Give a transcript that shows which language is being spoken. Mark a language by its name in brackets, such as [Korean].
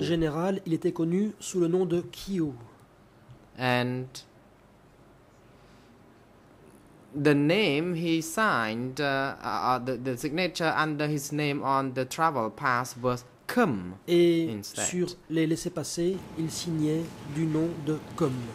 [French] général il était connu sous le nom de Kyo [English] and the name he signed, the signature under his name on the travel pass was Kum. [French] Et sur les laissez-passer, il signait du nom de Kum.